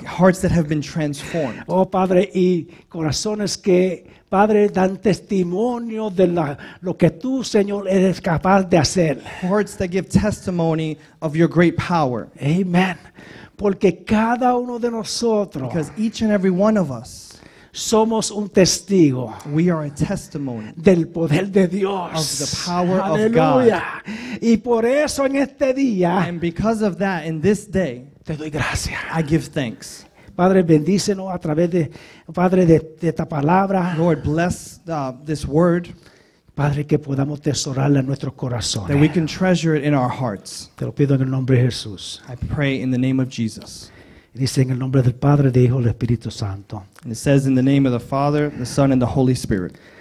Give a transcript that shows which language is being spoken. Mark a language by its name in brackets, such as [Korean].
[English] Hearts that have been transformed. [Spanish] Oh, Padre, y corazones que, Padre, dan testimonio de lo que tú, Señor, eres capaz de hacer. [English] Hearts that give testimony of your great power. Amen. [Spanish] Porque cada uno de nosotros, [English] because each and every one of us, [Spanish] somos un testigo, [English] we are a testimony [Spanish] del poder de Dios, [English] of the power of God. [Spanish] Y por eso en este día, [English] and because of that, in this day, [Spanish] te doy gracias. [English] I give thanks. [Spanish] Padre, bendícenos a través de, Padre, de esta palabra. [English] Lord, bless this word. [Spanish] Padre, que podamos atesorarla en nuestros corazones. [English] That we can treasure it in our hearts. [Spanish] Te lo pido en el nombre de Jesús. [English] I pray in the name of Jesus. [Spanish] Dice en el nombre del Padre, del Hijo y del Espíritu Santo. [English] And it says in the name of the Father, the Son, and the Holy Spirit.